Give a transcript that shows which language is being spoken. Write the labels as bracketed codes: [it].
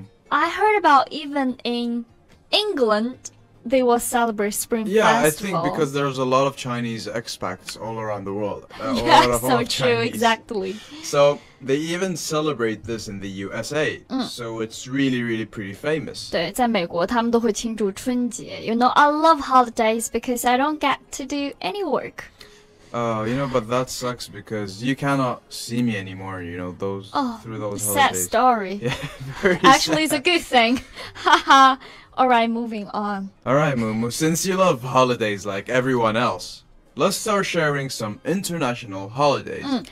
[en] I heard about even in England, they will celebrate Spring yeah, Festival. Yeah, I think because there's a lot of Chinese expats all around the world. Yeah, so true, exactly. So they even celebrate this in the USA. So it's really, really pretty famous. [zh] 对，在美国他们都会庆祝春节。 [en] You know, I love holidays because I don't get to do any work. Oh, you know, but that sucks because you cannot see me anymore, you know, those, through those holidays. Sad story. Yeah, very Actually, sad. It's a good thing. Haha. Alright, moving on. Alright, Mumu, since you love holidays like everyone else, let's start sharing some international holidays.